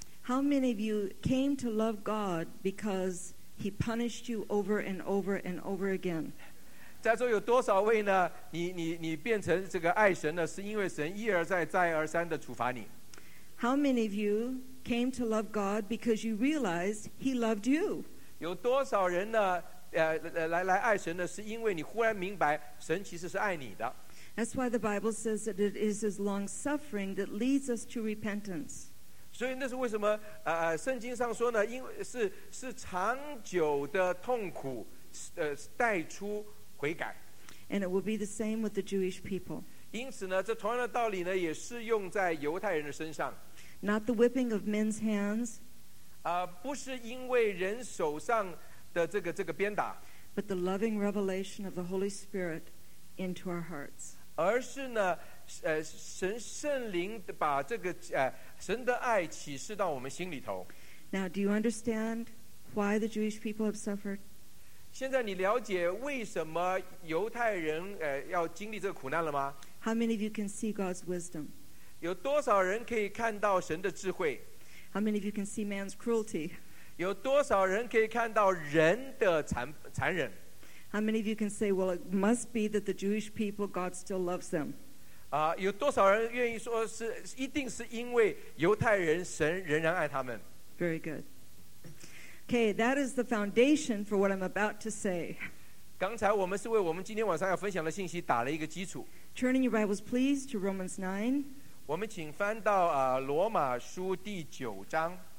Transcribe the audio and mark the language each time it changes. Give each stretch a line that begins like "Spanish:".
English: How many of you came to love God because he punished you over and over and over again?
Chinese: 在座有多少位呢？你变成这个爱神呢，是因为神一而再再而三的处罚你。
English: How many of you came to love God because you realized he loved you?
Chinese: 有多少人呢来爱神呢，是因为你忽然明白神其实是爱你的。
English: That's why the Bible says that it is his long suffering that leads us to repentance.
Chinese: 所以那是为什么圣经上说呢，因为是长久的痛苦带出悔改。
English: And it will be the same with the Jewish people.
Chinese: 因此呢，这同样的道理呢也适用在犹太人的身上。
English: Not the whipping of men's hands,
Chinese: 不是因为人手上的这个鞭打，
English: but the loving revelation of the Holy Spirit into our hearts.
Chinese: 而是呢，神圣灵把神的爱启示到我们心里头。
English: Now, do you understand why the Jewish people have suffered?
Chinese: 现在你了解为什么犹太人要经历这个苦难了吗？
English: How many of you can see God's wisdom?
Chinese: 有多少人可以看到神的智慧？
English: How many of you can see man's cruelty?
Chinese: 有多少人可以看到人的残忍？
English: How many of you can say, well, it must be that the Jewish people, God still loves them?
Chinese: 有多少人愿意说是一定是因为犹太人神仍然爱他们？
English: Very good. Okay, that is the foundation for what I'm about to say.
Chinese: 刚才我们是为我们今天晚上要分享的信息打了一个基础。
English: Turning your Bibles, please, to Romans 9.
Chinese: 我们请翻到罗马书第九章。